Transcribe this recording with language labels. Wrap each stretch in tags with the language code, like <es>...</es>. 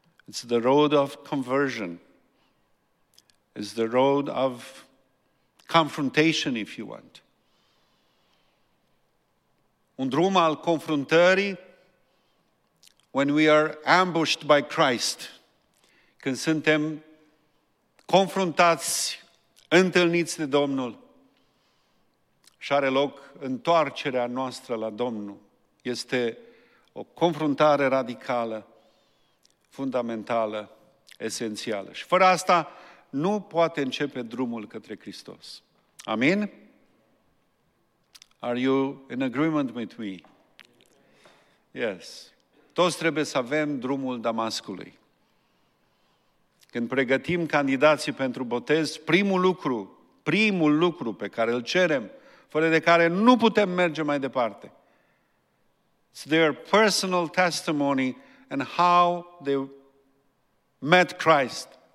<en>It's the road of conversion. It's the road of confrontation, if you want.</en> <ro>Un drum al confruntării.</ro> <en>When we are ambushed by Christ,</en> <ro>când suntem confruntați, întâlniți de Domnul, și are loc întoarcerea noastră la Domnul. Este o confruntare radicală, fundamentală, esențială. Și fără asta nu poate începe drumul către Hristos. Amin?</ro> <en>Are you in agreement with me? Yes.</en> <ro>Toți trebuie să avem drumul Damascului. Când pregătim candidații pentru botez, primul lucru pe care îl cerem, fără de care nu putem merge mai departe,</ro> <en>it's their personal testimony and how they met Christ.</en>